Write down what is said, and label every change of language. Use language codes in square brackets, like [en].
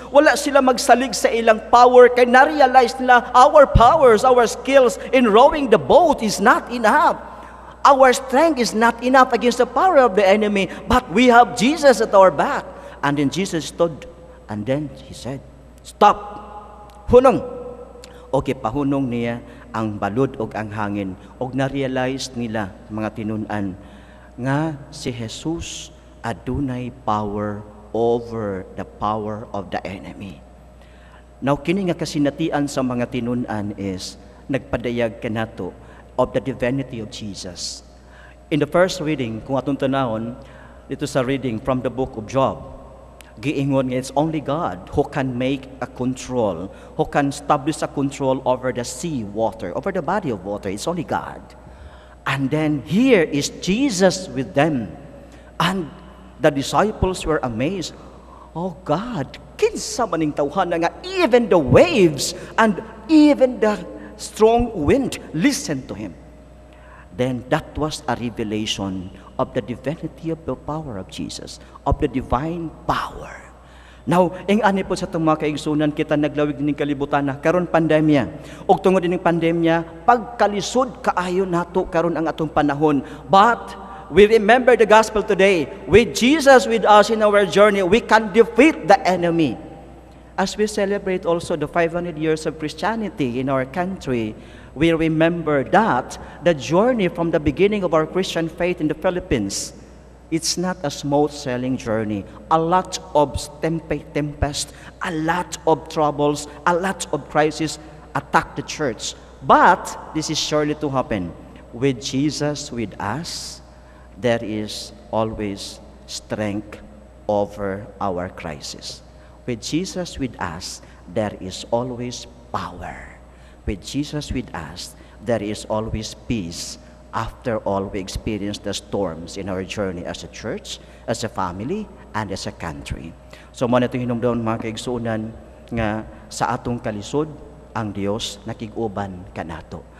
[ceb] Wala sila magsalig sa ilang power kay na-realize nila [en] our powers, our skills in rowing the boat is not enough. Our strength is not enough against the power of the enemy, but we have Jesus at our back. And then Jesus stood, and then he said, "Stop! [ceb] Hunong!" Okay, pahunong niya ang balod o ang hangin. Og na-realize nila, mga tinunan, nga si Jesus adunay [en] power over the power of the enemy. [ceb] Now, kini nga kasinatian sa mga tinunan is, nagpadayag kanato [en] of the divinity of Jesus. In the first reading, [ceb] kung atong tanahon, dito sa [en] reading from the book of Job, [ceb] giingon nga, [en] it's only God who can make a control, who can establish a control over the sea water, over the body of water. It's only God. And then, here is Jesus with them. And the disciples were amazed. Oh God, [ceb] kinsa man ang tawhana nga, [en] even the waves and even the strong wind listen to him. Then that was a revelation of the divinity of the power of Jesus, of the divine power. [ceb] Now, ing ani po sa itong mga kaigsunan, kita naglawig din ng kalibutan na karon pandemya. O tungod din ng pandemya, pagkalisod kaayo nato karon ang atong panahon. [en] But we remember the gospel today. With Jesus with us in our journey, we can defeat the enemy. As we celebrate also the 500 years of Christianity in our country, we remember that the journey from the beginning of our Christian faith in the Philippines, it's not a smooth sailing journey. A lot of tempest, a lot of troubles, a lot of crisis attack the church. But this is surely to happen. With Jesus with us, there is always strength over our crisis. With Jesus with us, there is always power. With Jesus with us, there is always peace after all we experience the storms in our journey as a church, as a family, and as a country. [ceb] So, muna ito hinumdaon, mga kaigsunan, nga sa atong kalisod, ang Dios nakiguban kanato.